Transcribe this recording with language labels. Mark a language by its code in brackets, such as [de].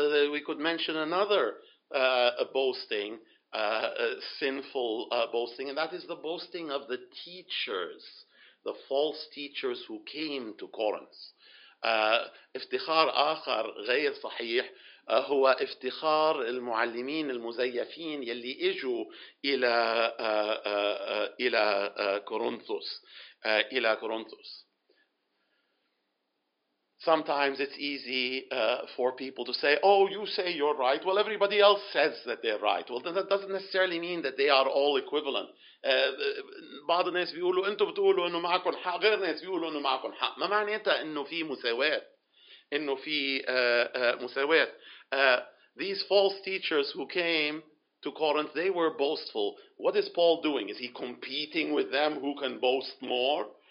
[en] We could mention another boasting, sinful boasting, and that is the boasting of the teachers, the false teachers who came to Corinth. [ar] افتخار آخر غير صحيح هو افتخار المعلمين المزيفين يلي اجوا الى الى كورنثوس الى كورنثوس. [en] Sometimes it's easy for people to say, oh, you say you're right. Well, everybody else says that they're right. Well, that doesn't necessarily mean that they are all equivalent. [ar] بعض الناس بيقولوا انتوا بتقولوا انه معكم حق، غير ناس بيقولوا انه معكم حق. ما معناتها انه في مساواة، انه في مساواة. [en] These false teachers who came to Corinth, they were boastful. What is Paul doing? Is he competing with them who can boast more?